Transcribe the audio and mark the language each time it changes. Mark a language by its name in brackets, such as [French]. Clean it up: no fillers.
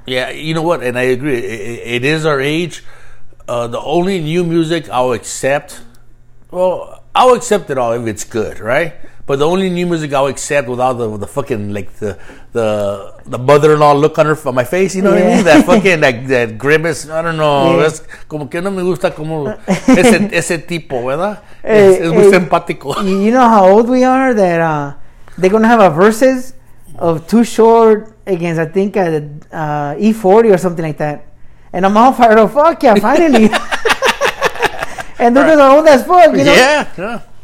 [English] Yeah, you know what? And I agree. It is our age. The only new music I'll accept... Well, I'll accept it all if it's good, right? But the only new music I'll accept without the fucking, like, the mother-in-law look on my face, you know what I mean? That fucking, like, that grimace, I don't know. [Spanish] Es como que no me gusta como ese tipo, ¿verdad? Es muy simpático. [English] You know how old we are that they're going to have a versus of Too Short against, I think, E-40 or something like that. And I'm all fired up. Fuck yeah, finally. And they're right. Old as fuck, you know?